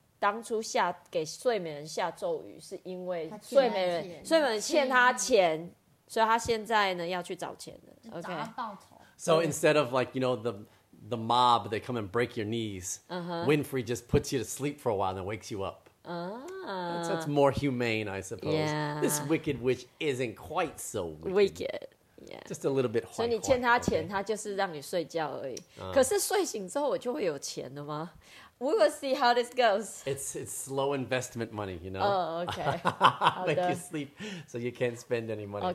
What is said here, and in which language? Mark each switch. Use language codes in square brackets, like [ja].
[zh] 当初下给睡美人下咒语，是因为睡美人欠他钱，所以他现在呢要去找钱了。 [en] OK， [zh] 报仇。 [en] So instead of like you know the mob, they come and break your knees.、 Uh-huh. Winfrey just puts you to sleep for a while and wakes you up. Ah, that's more humane, I suppose. Yeah. This wicked witch isn't quite so wicked. Wicked, yeah. Just a little bit. [zh] 所以你欠他钱，他就是让你睡觉而已。可是睡醒之后，我就会有钱了吗？ [en] We will see how this goes. It's slow investment money, you know. Oh, okay. Make you sleep, so you can't spend any money.